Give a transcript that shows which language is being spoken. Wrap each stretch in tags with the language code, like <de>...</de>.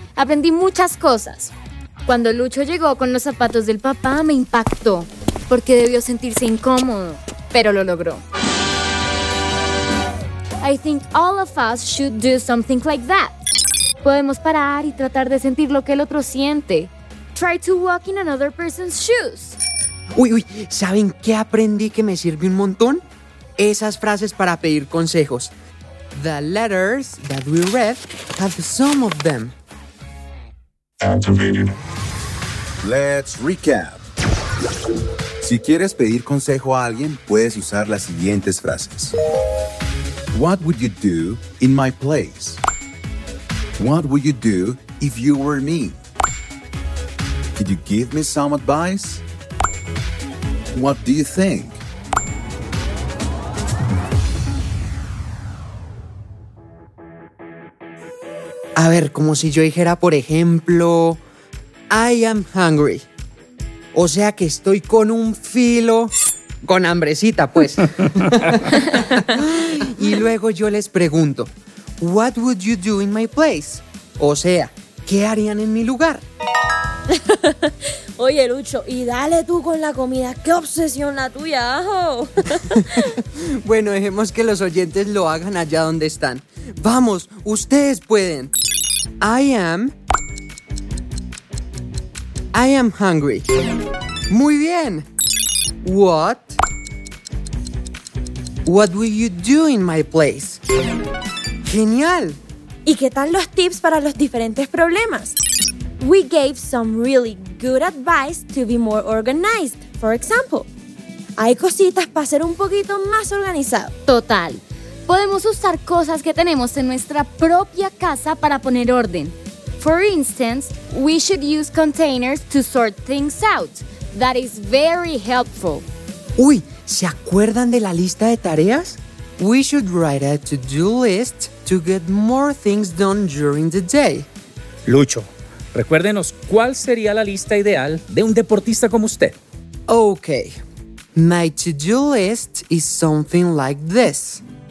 <es>Aprendí muchas cosas. Cuando Lucho llegó con los zapatos del papá, me impactó porque debió sentirse incómodo, pero lo logró.</es> <en>I think all of us should do something like that.</en> <es>Podemos parar y tratar de sentir lo que el otro siente.</es> <en>Try to walk in another person's shoes.</en> <es>Uy, uy, ¿saben qué aprendí que me sirve un montón? Esas frases para pedir consejos.</es> <en>The letters that we read have some of them. Activated. Let's recap.</en> <es>Si quieres pedir consejo a alguien, puedes usar las siguientes frases.</es> <en>What would you do in my place? What would you do if you were me? Could you give me some advice? What do you think?</en> <es>A ver, como si yo dijera, por ejemplo,</es> <en>I am hungry.</en> <es>O sea que estoy con un filo, con hambrecita, pues. Y luego yo les pregunto,</es> <en>what would you do in my place?</en> <es>O sea, ¿qué harían en mi lugar? Oye, Lucho, y dale tú con la comida. ¡Qué obsesión la tuya, ajo! Bueno, dejemos que los oyentes lo hagan allá donde están. ¡Vamos! ¡Ustedes pueden!</es> <en>I am hungry.</en> <es>¡Muy bien!</es> <en>What will you do in my place? ¡Genial!</en> <es>¿Y qué tal los tips para los diferentes problemas?</es> <en>We gave some really good advice to be more organized. For example,</en> <es>hay cositas para ser un poquito más organizado. Total. Podemos usar cosas que tenemos en nuestra propia casa para poner orden.</es> <en>For instance, we should use containers to sort things out. That is very helpful.</en> <es>Uy, ¿se acuerdan de la lista de tareas?</es> <en>We should write a to-do list to get more things done during the day.</en> <es>Lucho. Recuérdenos, ¿cuál sería la lista ideal de un deportista como usted?</es> <en>Okay. My to-do list is something like this.</en>